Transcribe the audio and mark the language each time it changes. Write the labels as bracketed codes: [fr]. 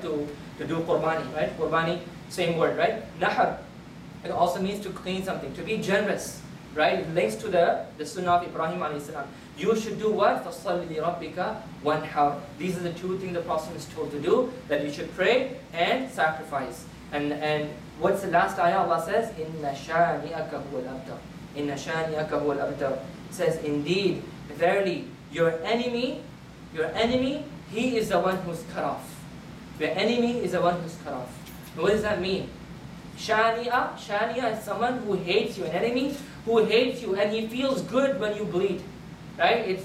[en] To do qurbani, right? Qurbani, same word, right? Nahar. It also means to clean something, to be generous, right? It links to the sunnah of Ibrahim alayhi salam. You should do what? [ar] فَصَلِّ لِرَبِّكَ وَانْحَرْ. [en] These are the two things the Prophet is told to do, that you should pray and sacrifice. And what's the last ayah? Allah says, [ar] إِنَّ شَانِئَكَ هُوَ الْأَبْتَرْ. إِنَّ شَانِيَكَ هُوَ الْأَبْتَرْ. [en] Says, indeed, verily, your enemy, he is the one who's cut off. Your enemy is the one who's cut off. Now what does that mean? Shania is someone who hates you, an enemy who hates you, and he feels good when you bleed. Right?